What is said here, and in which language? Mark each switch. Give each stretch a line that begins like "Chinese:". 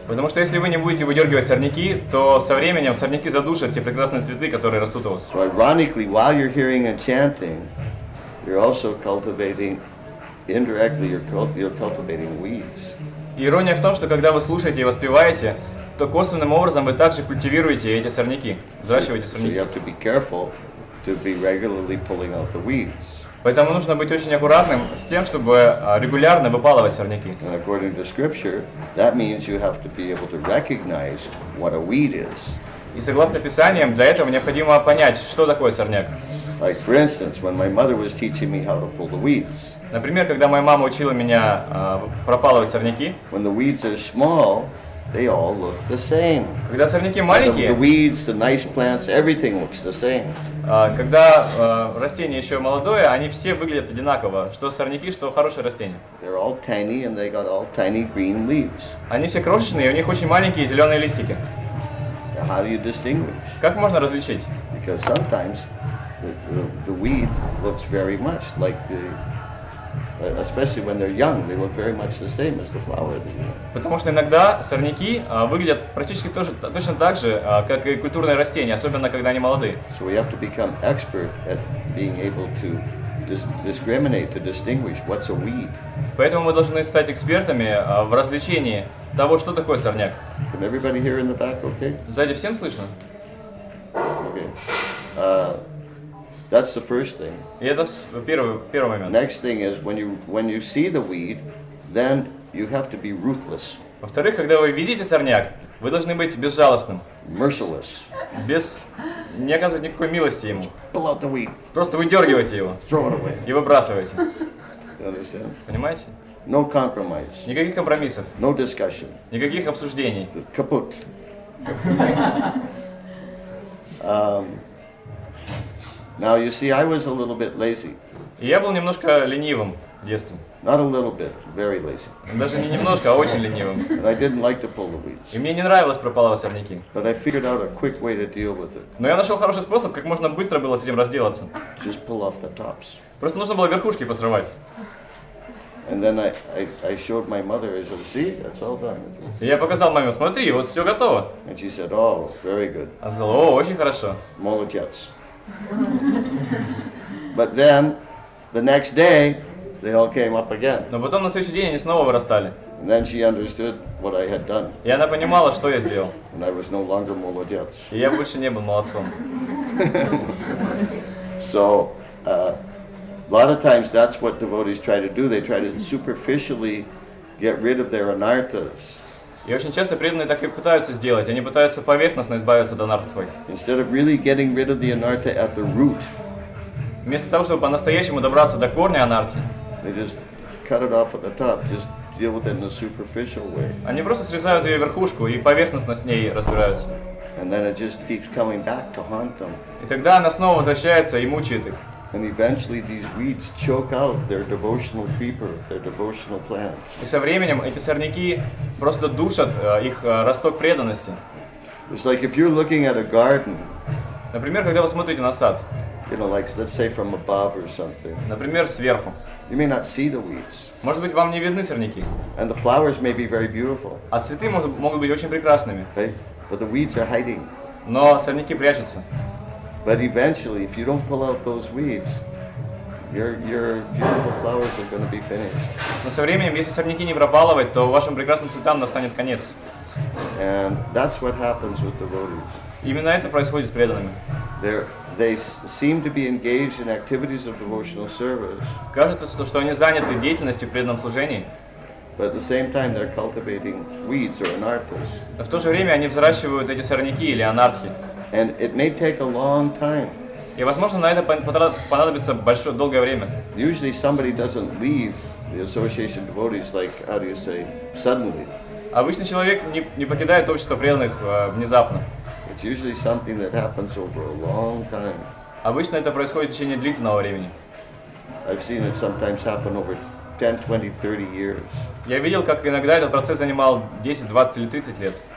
Russian: Потому что если вы не будете выдергивать сорняки, то со временем сорняки задушат те прекрасные цветы, которые растут у вас.
English: So ironically, while you're hearing and chanting, you're also cultivating. Indirectly, you're cultivating weeds.
Russian: Ирония в том, что когда вы слушаете и воспеваете, то косвенным образом вы также культивируете эти сорняки, взращиваете сорняки.
English: So you have to be careful to be regularly pulling out the weeds.
Russian: Поэтому нужно быть очень аккуратным с тем, чтобы регулярно выпалывать сорняки.
English: And according to scripture, that means you have to be able to recognize what a weed is.
Russian: И согласно Писаниям, для этого необходимо понять, что такое сорняк.
English: Like, for instance, when my mother was teaching me how to pull the weeds.
Russian: Например, когда моя мама учила меня пропалывать сорняки.
English: When the weeds are small, they all look the same.
Russian: Когда сорняки маленькие.
English: The weeds, the nice plants, everything looks the same.
Russian: Когда растение еще молодое, они все выглядят одинаково, что сорняки, что хорошие растения.
English: They're all tiny and they got all tiny green leaves.
Russian: Они все крошечные, у них очень маленькие зеленые листики.
English: How do you distinguish?
Russian: Как можно различить?
English: Because sometimes the weed looks very much like the especially when they're young, they look very much the same as the flower.
Russian: Потому что иногда сорняки выглядят практически тоже точно так же, как и культурные растения, особенно когда они молодые.
English: So we have to become expert at being able to discriminate, to distinguish what's a weed.
Russian: Поэтому мы должны стать экспертами в различении того, что такое сорняк.
English: Can everybody hear in the back, okay?
Russian: Сзади всем слышно?
English: Okay. That's the first thing.
Russian: И это первый момент.
English: Next thing is when you see the weed, then you have to be ruthless.
Russian: Во-вторых, когда вы видите сорняк, вы должны быть безжалостным.
English: Merciless.
Russian: Без не оказывать никакой милости ему.
English: Pull out the weed.
Russian: Просто выдергивайте его.
English: Throw it away.
Russian: И выбрасывайте.
English: You understand?
Russian: Понимаете?
English: No compromise.
Russian: Никаких компромиссов.
English: No discussion.
Russian: Никаких обсуждений. Капут.
English: Now you see, I was a little bit lazy.
Russian: Я был немножко ленивым в детстве.
English: Not a little bit, very lazy.
Russian: Даже не немножко, а очень ленивым.
English: But I didn't like to pull the weeds.
Russian: И мне не нравилось пропалывать сорняки.
English: But I figured out a quick way to deal with it.
Russian: Но я нашел хороший способ, как можно быстро было с этим разделаться.
English: Just pull off the tops.
Russian: Просто нужно было верхушки посрывать.
English: And then I showed my mother. I said, "See, that's all done."
Russian: Я показал маме, смотри, вот все готово.
English: And she said, "Oh, very good."
Russian: Она сказала, о, очень хорошо. Молодец.
English: But then, the next day, they all came up again.
Russian: Но потом на следующий день они снова вырастали.
English: And then she understood what I had done.
Russian: И она понимала, что я сделал.
English: And I was no longer молодец.
Russian: И я больше не был молодцом.
English: So. A lot of times that's what devotees try to do. They try to superficially get rid of their anarthas.
Russian: И очень часто преданные так и пытаются сделать. Они пытаются поверхностно избавиться от анарт свой.
English: Instead of really getting rid of the anartha at the root.
Russian: Вместо того, чтобы по-настоящему добраться до корня анартхи.
English: They just cut it off at the top. Just deal with it in a superficial way.
Russian: Они просто срезают ее верхушку и поверхностно с ней разбираются.
English: And then it just keeps coming back to haunt them.
Russian: И тогда она снова возвращается и мучает их.
English: And eventually these weeds choke out their devotional creeper, their devotional plants.
Russian: И со временем эти сорняки просто душат их росток преданности.
English: It's like if you're looking at a garden.
Russian: Например, когда вы смотрите на сад.
English: You know, like let's say from above or something.
Russian: Например, сверху.
English: You may not see the weeds.
Russian: Может быть, вам не видны сорняки.
English: And the flowers may be very beautiful.
Russian: А цветы могут быть очень прекрасными.
English: Okay? But the weeds are hiding.
Russian: Но сорняки прячутся.
English: But eventually, if you don't pull out those weeds, your beautiful flowers are going to be finished.
Russian: Но со временем, если сорняки не пропалывать, то вашим прекрасным цветам настанет конец.
English: And that's what happens with devotees.
Russian: Именно это происходит с преданными.
English: They seem to be engaged in activities of devotional service.
Russian: Кажется, что они заняты деятельностью в преданном служении.
English: But at the same time, they're cultivating weeds or anarthas.
Russian: Но в то же время они взращивают эти сорняки или анартхи.
English: And it may take a long time.
Russian: И возможно на это понадобится большое долгое время.
English: Usually somebody doesn't leave the association devotees like how do you say suddenly.
Russian: Обычно человек не покидает общество преданных внезапно.
English: It's usually something that happens over a long time.
Russian: Обычно это происходит в течение длительного времени.
English: I've seen it sometimes happen over 10, 20, 30 years.
Russian: Я видел, как иногда этот процесс занимал 10, 20 или 30 лет.